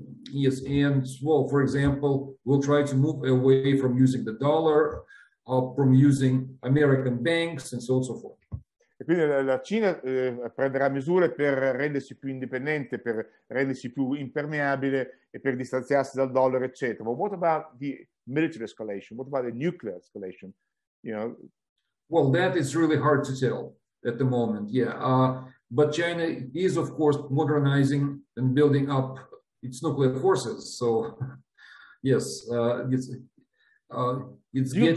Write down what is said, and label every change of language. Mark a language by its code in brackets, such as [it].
[en] Yes, and well, for example, we'll try to move away from using the dollar, from using American banks, and so on and so forth. [it] E quindi la Cina prenderà misure per rendersi più indipendente, per rendersi più impermeabile e per distanziarsi dal dollaro, eccetera. [en] But what about the military escalation? What about the nuclear escalation? You know. Well, that is really hard to tell at the moment. Yeah. But China is, of course, modernizing and building up its nuclear forces. So, yes, it's getting...